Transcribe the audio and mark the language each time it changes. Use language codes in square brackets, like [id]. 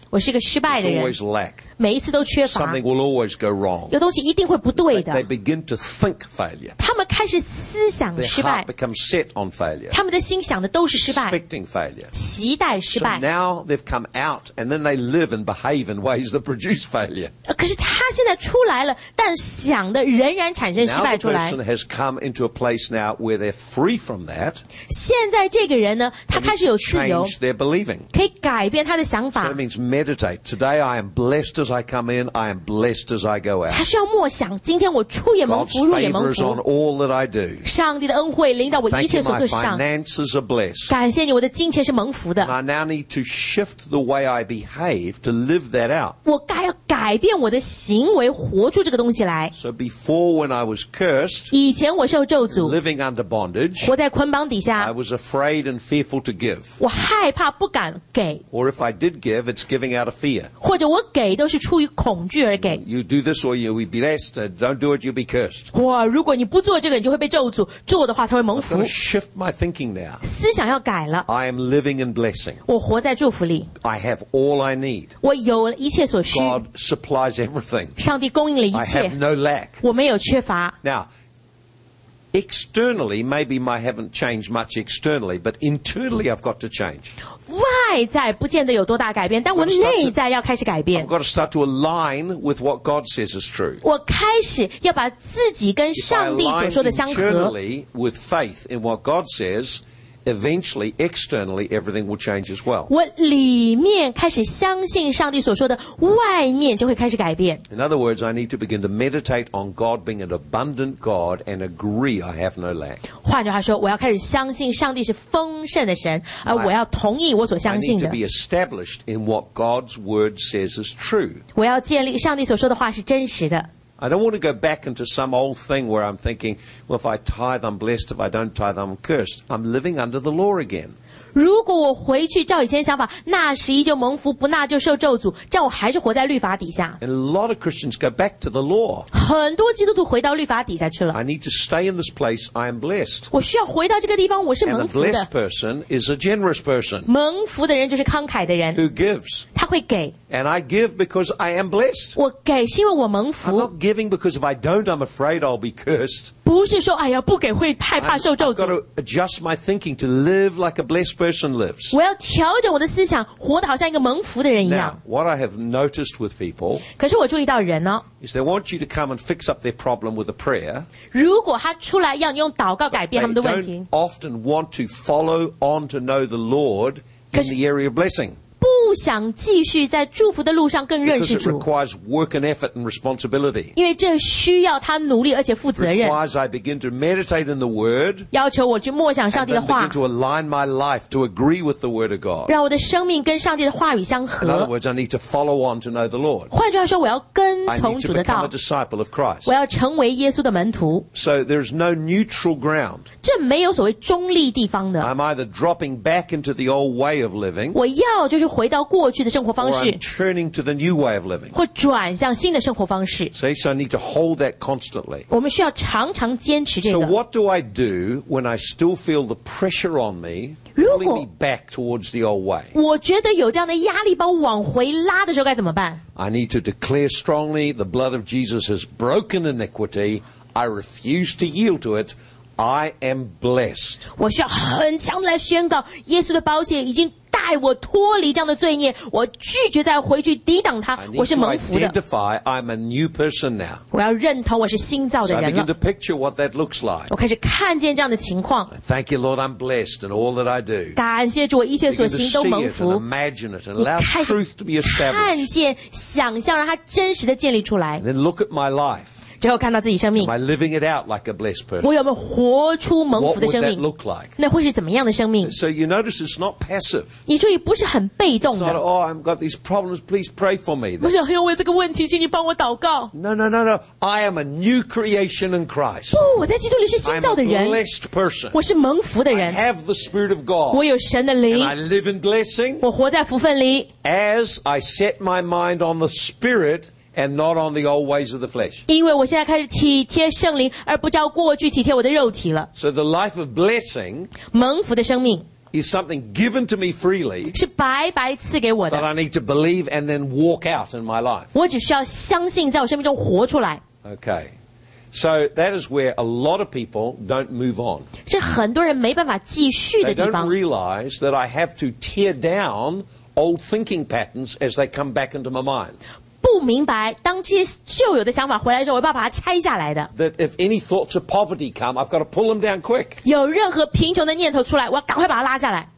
[zh] 我是一个失败的人。 [en] It's always lack. [zh] 每一次都缺乏。 [en] Something will always go wrong. [zh] 有东西一定会不对的。 [en] They begin to think failure. [zh] 他们开始思想失败。 [en] Their heart becomes set on failure. [zh] 他们的心想的都是失败。 [en] Expecting failure. [zh] 期待失败。 [en] So now they've come out, and then they live and behave in ways that produce failure. [zh] 可是他现在出来了，但想的仍然产生失败出来。 [en] Now the person has come into a place now where they're free from that. [zh] 现在这个人呢，他开始有自由。 [en] And he's changed their believing. [zh] 可以改变他的想法。 [en] So it means meditate. Today I am blessed as I come in, I am blessed as I go out. [zh] 他需要默想，今天我出也蒙福，入也蒙福。 [en] God's favor is on all that I do. [zh] 上帝的恩惠临到我一切所做上。 [en] Thank you, my finances are blessed. [zh] 感谢你，我的金钱是蒙福的。 [en] And I now need to shift the way I behave to live that out. [zh] 我该要改变我的行为，活出这个东西来。 [en] So before when I was cursed, [zh] 以前我受咒诅 [en] living under bondage, [zh] 活在捆绑底下 [en] I was afraid and fearful to give. [zh] 我害怕不敢给 [en] Or if I did give, it's giving out of fear. [zh] 或者我给都是出于恐惧而给 [en] You do this or you'll be blessed. Don't do it, you'll be cursed. [zh] 哇，如果你不做这个，你就会被咒诅。做的话，才会蒙福。 [en] I've got to shift my thinking now. [zh] 思想要改了。 [en] I am living in blessing. [zh] 我活在祝福里。 [en] I have all I need. [zh] 我有一切所需。 [en] God supplies everything. [zh] 上帝供应了一切。 [en] I have no lack. [zh] 我没有缺乏。 [en] Now, externally, maybe I haven't changed much externally, but internally I've got to change. [zh] 外在不见得有多大改变，但我内在要开始改变。 [en] I've got to start to align with what God says is true. [zh] 我开始要把自己跟上帝所说的相合。 [en] If I align internally with faith in what God says, eventually, externally, everything will change as well. [zh] 我里面开始相信上帝所说的，外面就会开始改变。 [en] In other words, I need to begin to meditate on God being an abundant God and agree I have no lack. [zh] 换句话说，我要开始相信上帝是丰盛的神，而我要同意我所相信的。 [en] I need to be established in what God's word says is true. [zh] 我要建立上帝所说的话是真实的。 [en] I don't want to go back into some old thing where I'm thinking, well, if I tithe, I'm blessed. If I don't tithe, I'm cursed. I'm living under the law again. [zh] 如果我回去照以前想法，纳十一就蒙福，不纳就受咒诅，这样我还是活在律法底下。 [en] And a lot of Christians go back to the law. [zh] 很多基督徒回到律法底下去了。 [en] I need to stay in this place. I am blessed. [zh] 我需要回到这个地方，我是蒙福的。 [en] And a blessed person is a generous person. [zh] 蒙福的人就是慷慨的人。 [en] Who gives? [zh] 他会给。 [en] And I give because I am blessed. [zh] 我给, 是因为我蒙福, [en] I'm not giving because if I don't, I'm afraid I'll be cursed. [zh] 不是说, 哎呀,不给会害怕受咒诅。 [en] I've got to adjust my thinking to live like a blessed person lives. [zh] 我要调整我的思想, 活得好像一个蒙福的人一样。 [en] Now, what I have noticed with people [zh] 可是我注意到人呢, [en] is they want you to come and fix up their problem with a prayer. [zh] 如果他出来要你用祷告改变他们的问题, [en] they don't often want to follow on to know the Lord in the area of blessing. [zh] 不想继续在祝福的路上更认识主, [en] because it requires work and effort and responsibility. [zh] 因为这需要他努力而且负责任, [en] requires I begin to meditate in the Word, [zh] 要求我去默想上帝的话, [en] and then begin to align my life to agree with the Word of God. [zh] 让我的生命跟上帝的话语相合, [en] in other words, I need to follow on to know the Lord. [zh] 换句话说我要跟从主的道, [en] I need to become a disciple of Christ. [zh] 我要成为耶稣的门徒. [en] So there's no neutral ground. [zh] 这没有所谓中立地方的. [en] I'm either dropping back into the old way of living, [zh] 我要就是 回到过去的生活方式, [en] or I'm turning to the new way of living. [zh] 或转向新的生活方式。 [en] So I need to hold that constantly. [zh] 我们需要常常坚持这个。 [en] So what do I do when I still feel the pressure on me pulling me back towards the old way? [zh] 我觉得有这样的压力把我往回拉的时候该怎么办? [en] I need to declare strongly the blood of Jesus has broken iniquity. I refuse to yield to it. I am blessed. [zh] 我需要很强地来宣告耶稣的宝血已经 我脱离这样的罪孽，我拒绝再回去抵挡它。我是蒙福的。 [en] Identify, I'm a new person now. [zh] 我要认同我是新造的人了。 [en] So I begin to picture what that looks like. [zh] 我开始看见这样的情况。 [en] Thank you, Lord, I'm blessed in all that I do. [zh] 感谢主，我一切所行都蒙福。 [en] Begin to see it and imagine it and allow truth to be established. [zh] 看见，想象，让它真实的建立出来。 [en] Then look at my life. [zh] 最后看到自己生命, [en] am I living it out like a blessed person? [zh] 我有没有活出蒙福的生命? [en] What would that look like? [zh] 那会是怎么样的生命? [en] So you notice it's not passive. [zh] 你注意不是很被动的。 [en] It's not, oh, I've got these problems, please pray for me. [zh] 我想要为这个问题, 请你帮我祷告。 [en] No. I am a new creation in Christ. [zh] 不, 我在基督里是新造的人。 [en] I'm a blessed person. [zh] 我是蒙福的人。 [en] I have the Spirit of God. [zh] 我有神的灵。 [en] And I live in blessing. [zh] 我活在福分里。 [en] As I set my mind on the Spirit, and not on the old ways of the flesh. [zh] 因为我现在开始体贴圣灵, 而不照过去体贴我的肉体了。 [en] So the life of blessing, [zh] 蒙福的生命, [en] is something given to me freely, [zh] 是白白赐给我的, [en] that I need to believe and then walk out in my life. [zh] 我只需要相信在我生命中活出来。 [en] Okay. So that is where a lot of people don't move on. [zh] 是很多人没办法继续的地方。 [en] They don't realize that I have to tear down old thinking patterns as they come back into my mind. [zh] 不明白当这些旧有的想法回来的时候我要把它拆下来的。 [en] That if any thoughts of poverty come, I've got to pull them down quick. [zh] 有任何贫穷的念头出来我要赶快把它拉下来。